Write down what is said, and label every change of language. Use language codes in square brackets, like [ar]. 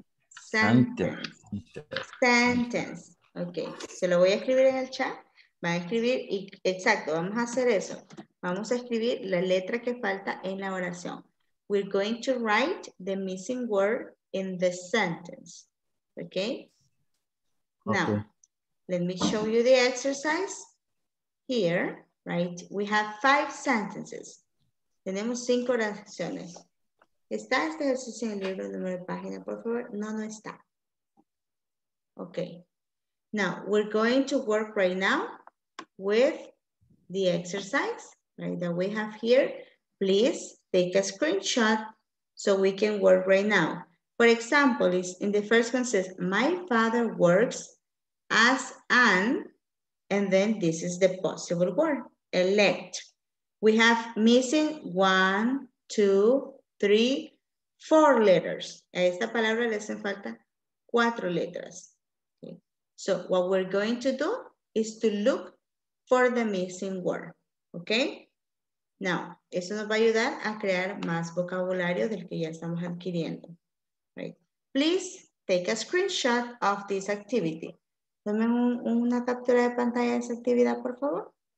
[es] Sentence. Ok, se lo voy a escribir en el chat. Van a escribir, y exacto, vamos a hacer eso. Vamos a escribir la letra que falta en la oración. [en] We're going to write the missing word in the sentence. Okay? Now, let me show you the exercise here, right? We have five sentences. [es] Tenemos cinco oraciones. ¿Está este ejercicio en el libro número de página, por favor? No, no está. Okay. [en] Now, we're going to work right now with the exercise, right, that we have here. Please take a screenshot so we can work right now. For example, is in the first one says, my father works as an, and then this is the possible word, elect. We have missing 1, 2, 3, 4 letters. [es] A esta palabra le hacen falta 4 letras. Okay. [en] So what we're going to do is to look for the missing word, okay? [es] Now, eso nos va a ayudar a crear más vocabulario del que ya estamos adquiriendo, right? [en] Please take a screenshot of this activity. [es] Tome una captura de pantalla de esa actividad, por favor.